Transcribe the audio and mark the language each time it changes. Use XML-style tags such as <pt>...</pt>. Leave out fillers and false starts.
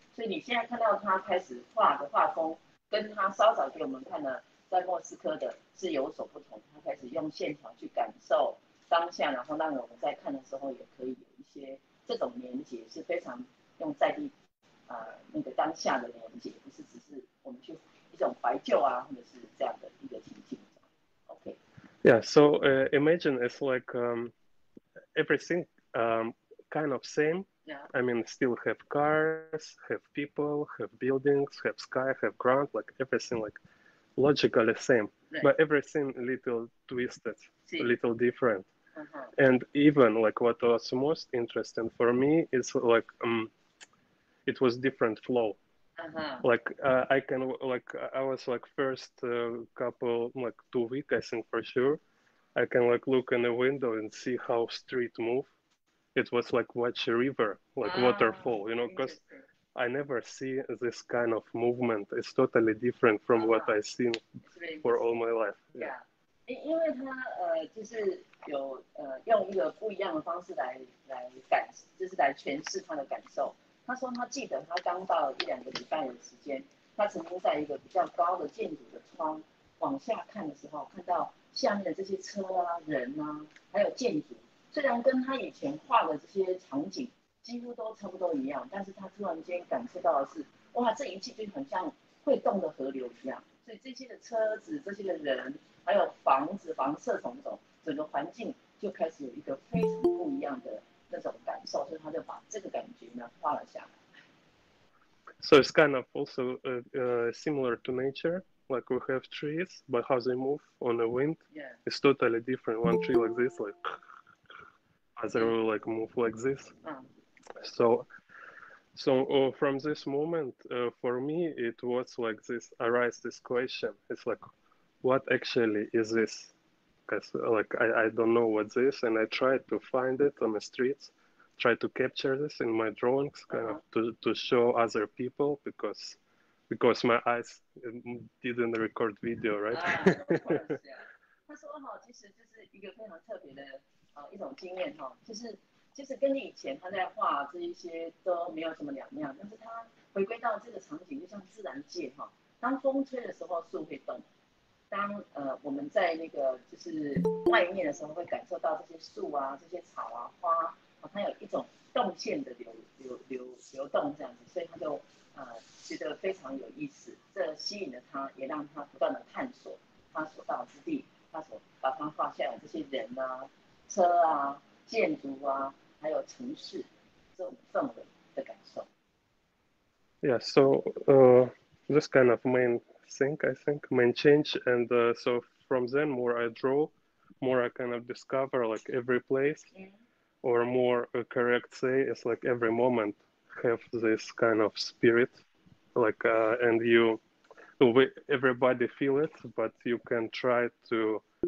<zh>所以你现在看到他开始画的画风，跟他稍早给我们看的在莫斯科的是有所不同。他开始用线条去感受当下，然后让我们在看的时候也可以有一些。这种连结是非常用在地，那个当下的连结，不是只是我们去一种怀旧啊，或者是这样的一个情境。 OK。</zh> <en>Yeah, so imagine it's like everything kind of same. Yeah. I mean, still have cars, have people, have buildings, have sky, have ground, like everything like logically same, right. But everything little twisted, see. Little different. Uh-huh. And even like what was most interesting for me is like it was different flow. Uh-huh. Like I was like first couple 2 weeks I think for sure, I can like look in the window and see how street move. It was like watch a river like uh-huh. waterfall, you know, because I never see this kind of movement. It's totally different from uh-huh. what I seen for all my life. Yeah.</en> <zh>因为他就是有用一个不一样的方式来感，就是来诠释他的感受。他说他记得他刚到一两个礼拜的时间，他曾经在一个比较高的建筑的窗往下看的时候，看到下面的这些车啊、人啊，还有建筑，虽然跟他以前画的这些场景几乎都差不多一样，但是他突然间感受到的是，哇，这一切就很像会动的河流一样。所以这些的车子、这些的人。还有房子、房舍种种，整个环境就开始有一个非常不一样的那种感受，所以他就把这个感觉呢画了下来。</zh> <en>So it's kind of also similar to nature, like we have trees, but how they move on the wind、 yeah. is totally different. One tree like this, like as they will like move like this.、So, from this moment, for me, it was like this arise this question. It's like. What actually is this? Because like, I don't know what this is, and I tried to find it on the streets, tried to capture this in my drawings, kind uh-huh. of to show other people, because my eyes didn't record video, right? Of course, yeah.</en> <zh>他说哈，其实就是一个非常特别的一种经验哈，就是跟你以前他在画这一些都没有什么两样，但是他回归到这个场景，就像自然界哈，当风吹的时候，树会动。当我们在那个就是外面的时候，会感受到这些树啊、这些草啊、花啊，它有一种动线的流动这样子，所以他就觉得非常有意思，这吸引了他，也让他不断的探索他所到之地，他所把他画下来这些人啊、车啊、建筑啊，还有城市这种氛围的感受。</zh> <en>Yeah, so this kind of main. I think main change and so from then more I draw more I kind of discover like every place yeah. or more correct say it's like every moment have this kind of spirit like and you everybody feel it but you can try to</en>